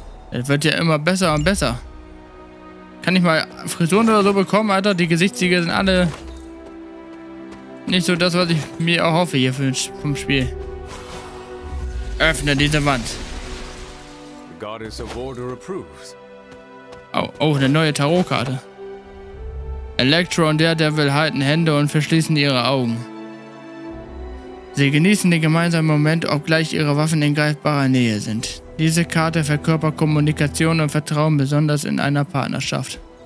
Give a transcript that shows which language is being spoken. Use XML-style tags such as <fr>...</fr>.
<de>Es wird ja immer besser und besser. Kann ich mal Frisuren oder so bekommen, Alter? Die Gesichtszüge sind alle nicht so das, was ich mir erhoffe hier vom Spiel. Öffne diese Wand.</de> <en>The Goddess of Order approves.</en> <de>Oh, eine neue Tarotkarte. Elektro und der Devil halten Hände und verschließen ihre Augen. Sie genießen den gemeinsamen Moment, obgleich ihre Waffen in greifbarer Nähe sind. Diese Karte verkörpert Kommunikation und Vertrauen, besonders in einer Partnerschaft.</de>